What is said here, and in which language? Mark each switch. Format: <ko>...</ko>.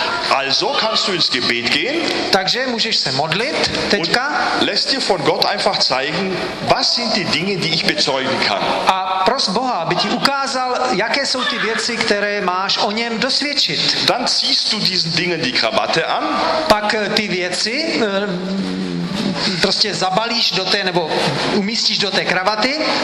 <de>Also kannst du ins Gebet gehen.</de> <cs>Takže můžeš se modlit teďka.</cs> <de>Lässt dir von Gott einfach zeigen, was sind die Dinge, die ich bezeugen kann.</de> <cs>A prosím Boha, aby ti ukázal, jaké jsou ty věci, které máš o něm dosvědčit.</cs> <de>Dann ziehst du diesen Dingen die Krawatte an.</de> <cs>Pak ty věci prostě zabalíš do té nebo umístíš do té kravaty.</cs>